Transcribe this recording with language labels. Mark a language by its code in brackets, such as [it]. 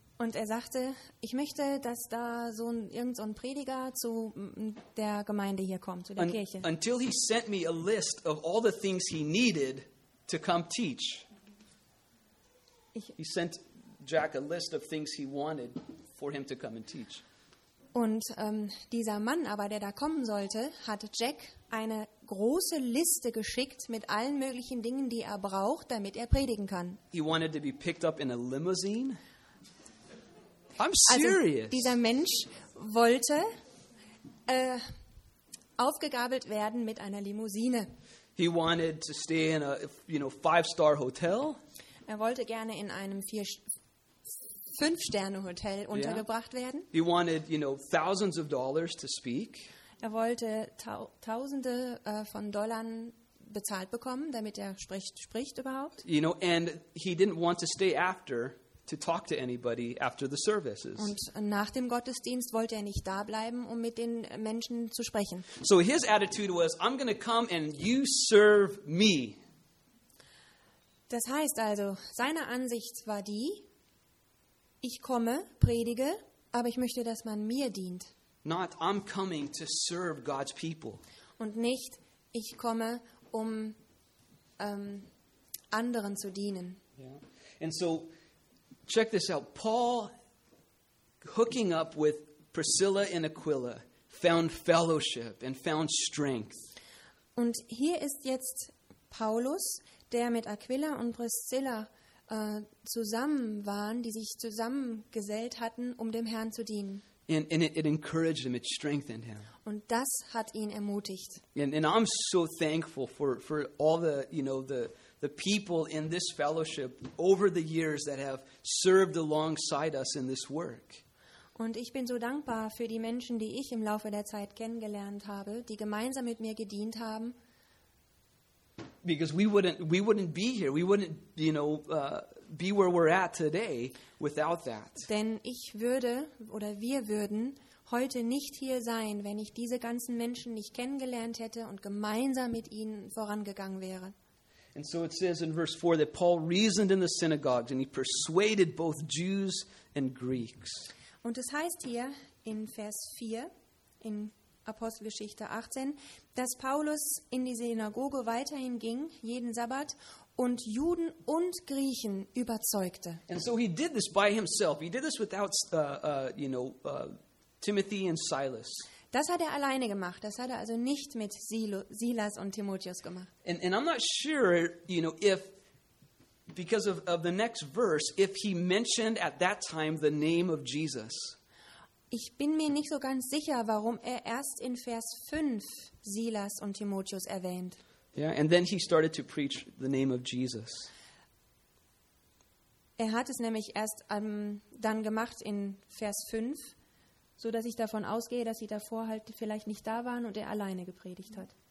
[de] Und er sagte, ich möchte, dass da so ein irgendein Prediger zu der Gemeinde hier kommt, zu der Kirche. [en] Until he sent me a list of all the things he needed to come teach. He sent Jack a list of things he wanted for him to come and teach. [de] Und dieser Mann aber, der da kommen sollte, hat Jack eine große Liste geschickt mit allen möglichen Dingen, die er braucht, damit er predigen kann. [en] He wanted to be picked up in a limousine. I'm serious. [de] Also, dieser Mensch wollte aufgegabelt werden mit einer Limousine. [en] He wanted to stay in a, you know, 5-star hotel. [de] Er wollte gerne in einem 5-Sterne Hotel untergebracht werden. [en] He wanted, you know, thousands of dollars to speak. [de] Er wollte tausende von Dollar bezahlt bekommen, damit er spricht überhaupt. [en] You know, and he didn't want to stay after to talk to anybody after the services. [de] Und nach dem Gottesdienst wollte er nicht da bleiben, um mit den Menschen zu sprechen. [en] So his attitude was, I'm going to come and you serve me. [de] Das heißt also, seine Ansicht war die, ich komme, predige, aber ich möchte, dass man mir dient. [en] Not, I'm coming to serve God's people. [de] Und nicht, ich komme, um anderen zu dienen. [en] Yeah. And so, check this out. Paul, hooking up with Priscilla and Aquila, found fellowship and found strength. [de] Und hier ist jetzt Paulus, der mit Aquila und Priscilla zusammen waren, die sich zusammengesellt hatten, um dem Herrn zu dienen. [en] And it encouraged him, it strengthened him. [de] Und das hat ihn ermutigt. [en] And I'm so thankful for all the, you know, the people in this fellowship over the years that have served alongside us in this work. [de] Und ich bin so dankbar für die Menschen, die ich im Laufe der Zeit kennengelernt habe, die gemeinsam mit mir gedient haben. [en] Because we wouldn't be here, we wouldn't, you know, be where we're at today without that. [de] Denn ich würde oder wir würden heute nicht hier sein, wenn ich diese ganzen Menschen nicht kennengelernt hätte und gemeinsam mit ihnen vorangegangen wäre. [en] And so it says in verse 4 that Paul reasoned in the synagogues and he persuaded both Jews and Greeks. [de] Und es heißt hier in Vers 4 in Apostelgeschichte 18, dass Paulus in die Synagoge weiterhin ging, jeden Sabbat, und Juden und Griechen überzeugte. [en] And so he did this by himself. He did this without, you know, Timothy and Silas. [de] Das hat er alleine gemacht. Das hat er also nicht mit Silas und Timotheus gemacht. [en] And I'm not sure, you know, if, because of the next verse, if he mentioned at that time the name of Jesus. [de] Ich bin mir nicht so ganz sicher, warum er erst in Vers 5 Silas und Timotheus erwähnt. [en] Yeah, and then he started to preach the name of Jesus. [de] Er hat es nämlich erst dann gemacht in Vers 5, so dass ich davon ausgehe, dass sie davor halt vielleicht nicht da waren und er alleine gepredigt hat.